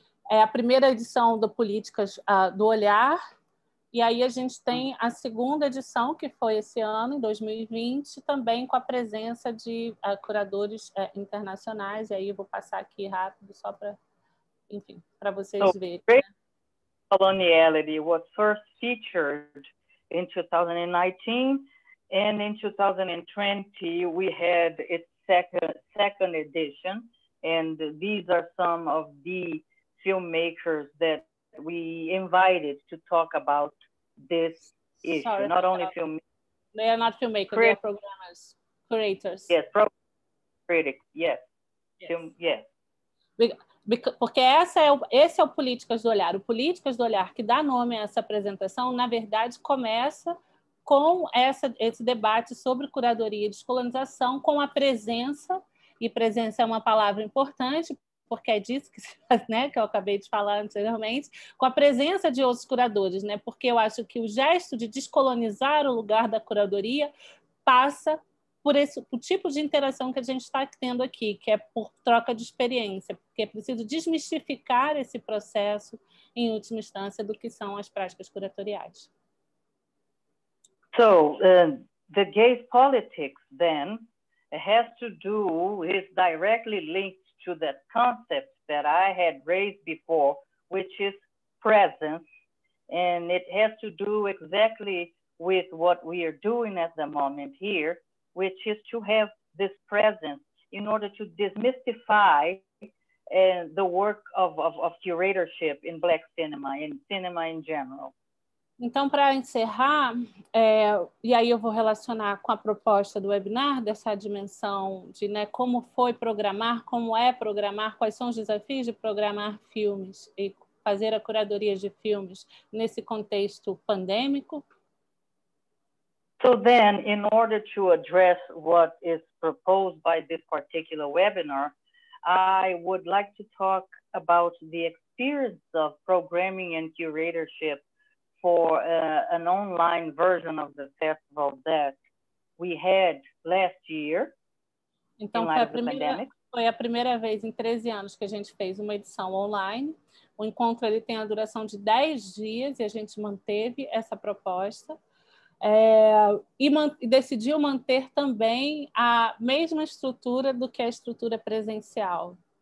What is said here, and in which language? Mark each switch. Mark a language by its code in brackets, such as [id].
[pt] É a primeira edição do Políticas do Olhar. E aí a gente tem a segunda edição, que foi esse ano, em 2020, também com a presença de curadores internacionais. E aí eu vou passar aqui rápido só para, enfim, para vocês verem. [en] Great Coloniality was first featured in 2019, and in 2020 we had its second edition, and these are some of the filmmakers that we invited to talk about this issue. Sorry, not only filmmakers. They are not filmmakers, they are programmers, curators. Yes, critics, yes. Yes. Yes. [pt] Porque esse é o Políticas do Olhar. O Políticas do Olhar, que dá nome a essa apresentação, na verdade, começa com esse debate sobre curadoria e descolonização, com a presença, e presença é uma palavra importante, porque é disso que, né, que eu acabei de falar anteriormente, com a presença de outros curadores, né? Porque eu acho que o gesto de descolonizar o lugar da curadoria passa por esse o tipo de interação que a gente está tendo aqui, que é por troca de experiência, porque é preciso desmistificar esse processo, em última instância, do que são as práticas curatoriais. [en] So, the gaze politics, then, has to do, is directly linked to that concept that I had raised before, which is presence, and it has to do exactly with what we are doing at the moment here, which is to have this presence in order to demystify the work of curatorship in Black cinema, in cinema in general. [pt] Então, para encerrar, e aí eu vou relacionar com a proposta do webinar, dessa dimensão de né, como foi programar, como é programar, quais são os desafios de programar filmes e fazer a curadoria de filmes nesse contexto pandêmico. [en] So then, in order to address what is proposed by this particular webinar, I would like to talk about the experience of programming and curatorship for an online version of the festival that we had last year. [pt] Então, foi a primeira vez em 13 anos que a gente fez uma edição online. O encontro ele tem a duração de 10 dias e a gente manteve essa proposta. E decidiu manter também a mesma estrutura do que a estrutura presencial.